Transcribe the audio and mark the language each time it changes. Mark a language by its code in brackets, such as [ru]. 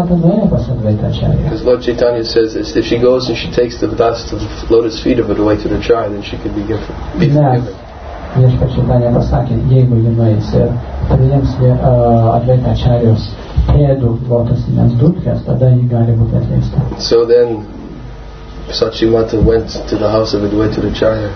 [en] Because Lord Chaitanya says, if she goes and she takes the dust of the lotus feet of Advaita Acharya, then she can be given. [lt] Viešpats Čaitanja pasakė, jeigu ji nueis ir priims Advaita Acharyos pėdų lotosines dulkes, tada ji gali būti atleista. [en] So then Sachimata went to the house of Advaita Acharya.